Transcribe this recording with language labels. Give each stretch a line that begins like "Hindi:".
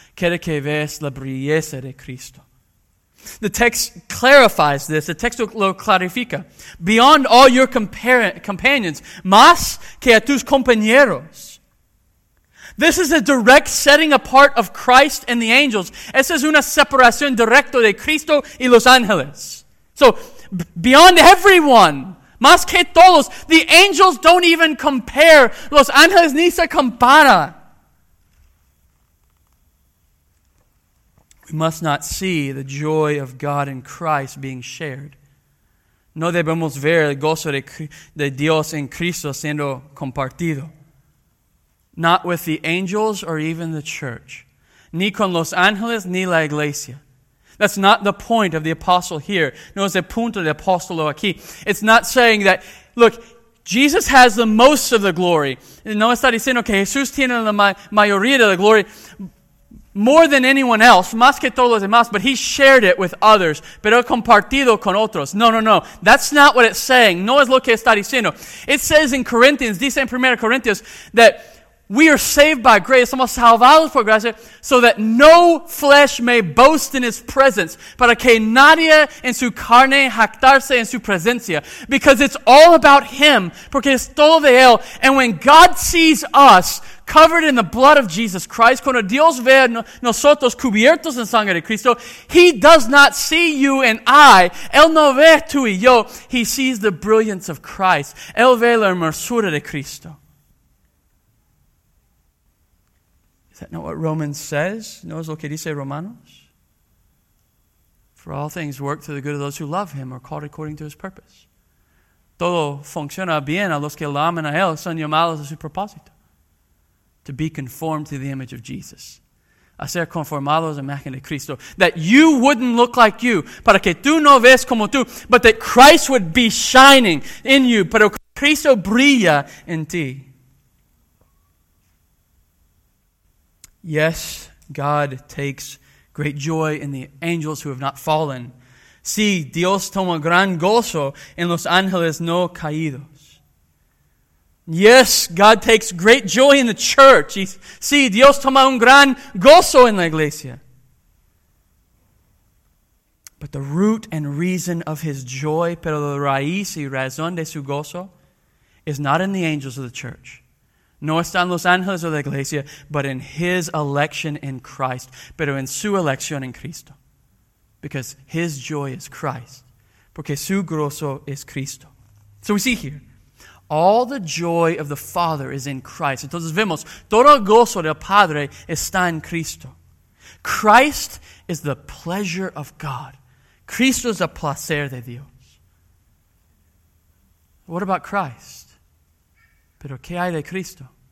Spanish: Quiere que veas la brilleza de Cristo.
English: The text clarifies this.
Spanish: The texto lo clarifica.
English: Beyond all your companions,
Spanish: más que a tus compañeros.
English: This is a direct setting apart of Christ and the angels.
Spanish: Esa es una separación directa de Cristo y los ángeles.
English: So, beyond everyone,
Spanish: más que todos,
English: the angels don't even compare.
Spanish: Los ángeles ni se compara.
English: We must not see the joy of God in Christ being shared.
Spanish: No debemos ver el gozo de Dios en Cristo siendo compartido.
English: Not with the angels or even the church.
Spanish: Ni con los ángeles ni la iglesia.
English: That's not the point of the apostle here.
Spanish: No es el punto del apóstolo aquí.
English: It's not saying that, look, Jesus has the most of the glory.
Spanish: No está diciendo que Jesús tiene la mayoría de la gloria.
English: More than anyone else,
Spanish: más que todos los demás,
English: but he shared it with others,
Spanish: pero compartido con otros.
English: No, no, no. That's not what it's saying.
Spanish: No es lo que está diciendo.
English: It says in Corinthians,
Spanish: dice en 1 Corinthians,
English: that we are saved by grace,
Spanish: somos salvados por gracia,
English: so that no flesh may boast in his presence,
Spanish: para que nadie en su carne jactarse en su presencia.
English: Because it's all about him,
Spanish: porque es todo de él.
English: And when God sees us, covered in the blood of Jesus Christ,
Spanish: cuando Dios ve a nosotros cubiertos en sangre de Cristo,
English: he does not see you and I.
Spanish: Él no ve tú y yo.
English: He sees the brilliance of Christ.
Spanish: Él ve la hermosura de Cristo.
English: Is that not what Romans says?
Spanish: ¿No es lo que dice Romanos?
English: For all things work to the good of those who love him or called according to his purpose.
Spanish: Todo funciona bien a los que lo aman a él, son llamados a su propósito.
English: To be conformed to the image of Jesus.
Spanish: A ser conformados a la imagen de Cristo.
English: That you wouldn't look like you,
Spanish: para que tú no ves como tú,
English: but that Christ would be shining in you,
Spanish: pero Cristo brilla en ti.
English: Yes, God takes great joy in the angels who have not fallen.
Spanish: Sí, Dios toma gran gozo en los ángeles no caídos.
English: Yes, God takes great joy in the church.
Spanish: Sí, Dios toma un gran gozo en la iglesia.
English: But the root and reason of his joy,
Spanish: pero la raíz y razón de su gozo,
English: is not in the angels of the church.
Spanish: No están los ángeles de la iglesia,
English: but in his election in Christ.
Spanish: Pero en su elección en Cristo.
English: Because his joy is Christ.
Spanish: Porque su gozo es Cristo.
English: So we see here, all the joy of the Father is in Christ.
Spanish: Entonces vemos, todo el gozo del Padre está en Cristo.
English: Christ is the pleasure of God.
Spanish: Cristo es el placer de Dios.
English: What about Christ?
Spanish: Pero ¿qué hay de Cristo?